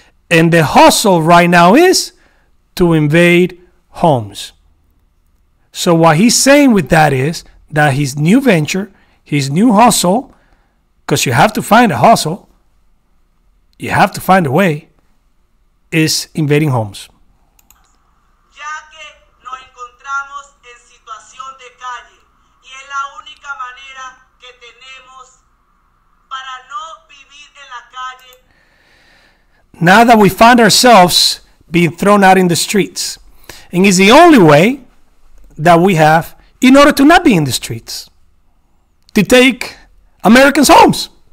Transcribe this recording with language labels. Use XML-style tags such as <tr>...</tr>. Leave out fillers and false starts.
<en>And the hustle right now is to invade homes. So what he's saying with that is that his new venture, his new hustle, because you have to find a hustle, you have to find a way, is invading homes.</en> <es>Ya que nos encontramos en situación de calle y es la única manera que tenemos para no vivir en la calle.</es> <en>Now that we find ourselves being thrown out in the streets, and it's the only way that we have in order to not be in the streets, to take Americans' homes.</en>